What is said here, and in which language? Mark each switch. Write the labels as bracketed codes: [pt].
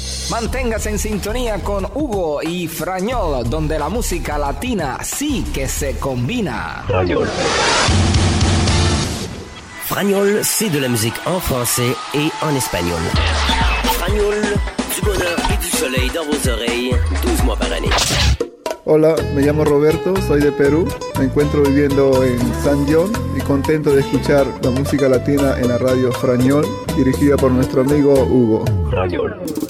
[es] Manténgase en sintonía con Hugo y Frañol, donde la música latina sí que se combina. Frañol. [fr] Frañol, c'est de la musique en français et en espagnol. Frañol, du bonheur et du soleil dans vos oreilles, 12 mois par année. [es] Hola, me llamo Roberto, soy de Perú. Me encuentro viviendo en San John y contento de escuchar la música latina en la radio Frañol, dirigida por nuestro amigo Hugo. Frañol.